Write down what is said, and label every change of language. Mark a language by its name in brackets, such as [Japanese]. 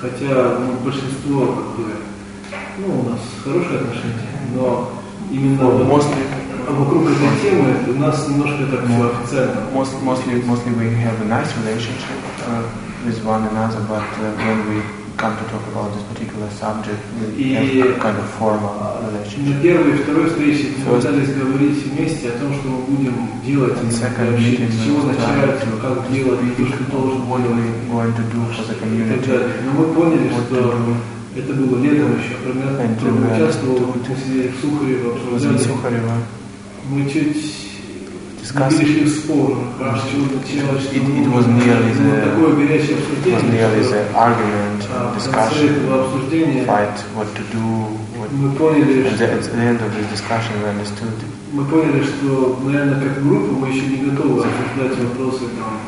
[Russian] Хотя большинство у нас хорошие отношения, но именно вокруг этой темы у нас немножко так официально. [English] Mostly we have a nice relationship. With one another, but when we come to talk about this particular subject и kind of formal relationship. [Russian] На первой и второй встрече мы пытались говорить вместе о том, что мы будем делать, с чего начать, как делать, то, что должен [English] going to do for the community. [Russian] Но мы поняли, что это было летом еще, когда мы участвовали в Сухареве. Мы чуть [English] It was nearly the argument, discussion, fight, what to do. What, at the end of the discussion, we understood.